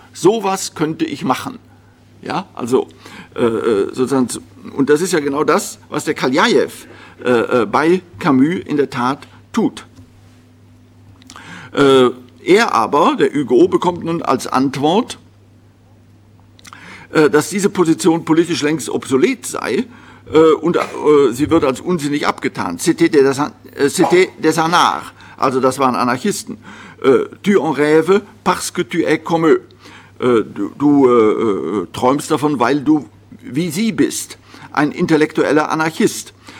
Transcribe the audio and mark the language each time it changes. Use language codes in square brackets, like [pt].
[de] Sowas könnte ich machen. Ja, also sozusagen, und das ist ja genau das, was der Kaljajew bei Camus in der Tat tut. Er aber, der Hugo, bekommt nun als Antwort, dass diese Position politisch längst obsolet sei und sie wird als unsinnig abgetan. [fr] C'était des anards, [de] also das waren Anarchisten. [fr] Tu en rêves parce que tu es comme eux. [de] Du träumst davon, weil du wie sie bist, ein intellektueller Anarchist.